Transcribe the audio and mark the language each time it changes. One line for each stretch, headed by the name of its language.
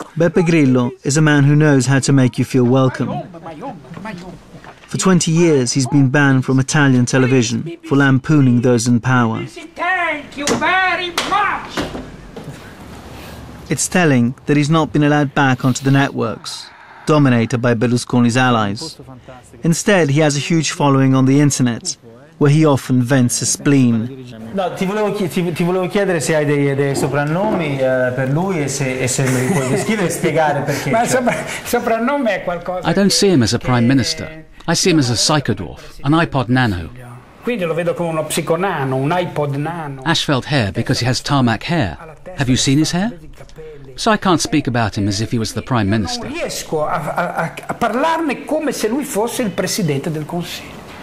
English: Beppe Grillo is a man who knows how to make you feel welcome. For 20 years, he's been banned from Italian television for lampooning those in power. Thank you very much. It's telling that he's not been allowed back onto the networks, dominated by Berlusconi's allies. Instead, he has a huge following on the internet, where he often vents his spleen.
Italian: No, ti volevo chiedere se hai dei soprannomi per lui e se mi puoi descrivere e spiegare perché. Ma soprannome è qualcosa.
English: I don't see him as a prime minister. I see him as a psychodwarf, an iPod nano.
Italian: Quindi lo vedo come uno psiconano, un iPod nano.
English: Ashfeld hair because he has tarmac hair. Have you seen his hair? So I can't speak about him as if he was the prime minister.
Italian: Non riesco a parlarne come se lui fosse il presidente del consiglio.